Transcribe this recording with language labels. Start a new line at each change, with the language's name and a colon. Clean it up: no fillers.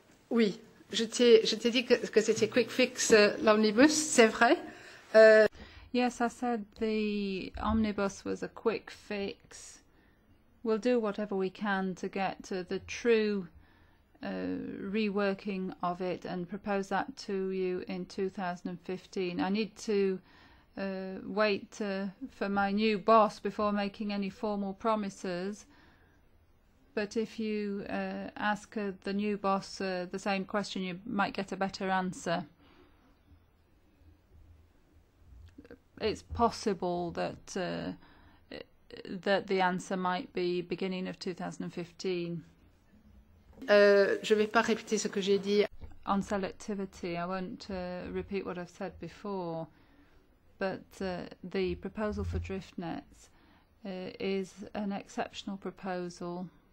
French: Oui, je t'ai dit que c'était
English: quick fix
French: l'omnibus, c'est vrai.
English: Yes, I said the omnibus was a quick fix. We'll do whatever we can to get to the true reworking of it and propose that to you in 2015. I need to wait for my new boss before making any formal promises. But if you ask the new boss the same question, you might get a better answer. It's possible that that the answer might be beginning of 2015.
French: Je vais pas répéter ce que j'ai dit.
English: On selectivity, I won't repeat what I've said before, but the proposal for drift nets is an exceptional proposal.